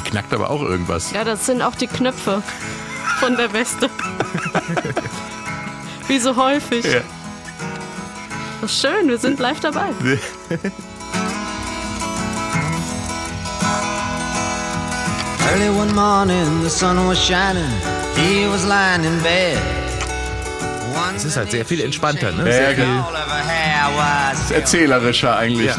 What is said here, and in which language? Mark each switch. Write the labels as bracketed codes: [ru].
[de] Aber auch irgendwas. Ja, das sind auch die Knöpfe von der Weste. Wie so häufig. Ja. Das ist schön, wir sind live dabei. [en] Early one morning, the sun was shining, he was lying in bed. [de] Es ist halt sehr viel entspannter, ne? Ja, sehr geil. Viel erzählerischer eigentlich, ja.